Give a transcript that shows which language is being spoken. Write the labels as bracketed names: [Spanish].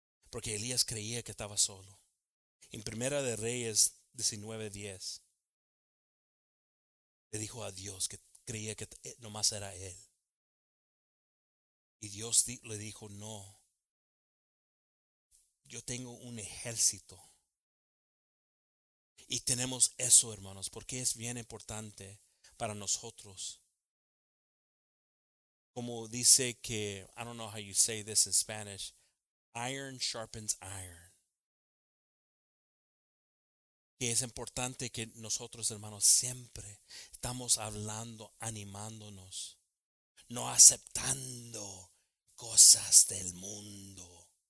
[Spanish] Porque Elías creía que estaba solo. En Primera de Reyes 19:10, le dijo a Dios que creía que nomás era él. Y Dios le dijo, no, yo tengo un ejército. Y tenemos eso, hermanos, porque es bien importante para nosotros. Como dice que, [English] I don't know how you say this in Spanish, iron sharpens iron. [Spanish] Que es importante que nosotros, hermanos, siempre estamos hablando, animándonos, no aceptando cosas del mundo.